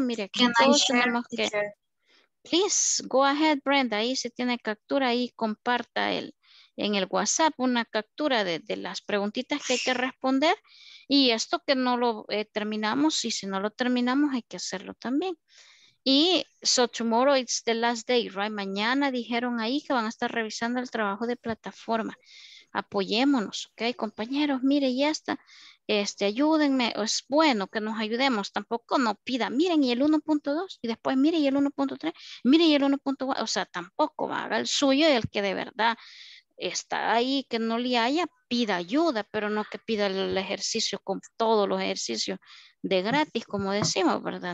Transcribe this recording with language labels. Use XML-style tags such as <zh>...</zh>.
<es>Mire, aquí todos tenemos que.</es> <en>Please go ahead, Brenda.</en> <es>Ahí si tiene captura, ahí comparta en el WhatsApp una captura de las preguntitas que hay que responder. Y esto que no lo terminamos, y si no lo terminamos, hay que hacerlo también.</es> <en>Y so tomorrow it's the last day, right?</en> <es>Mañana dijeron ahí que van a estar revisando el trabajo de plataforma. Apoyémonos, ok, compañeros, mire, ya está. Ayúdenme, es bueno que nos ayudemos, tampoco no pida, miren y el 1.2 y después miren y el 1.3, miren y el 1.4, o sea, tampoco haga el suyo, y el que de verdad está ahí, que no le haya, pida ayuda, pero no que pida el ejercicio con todos los ejercicios de gratis, como decimos, ¿verdad?</es>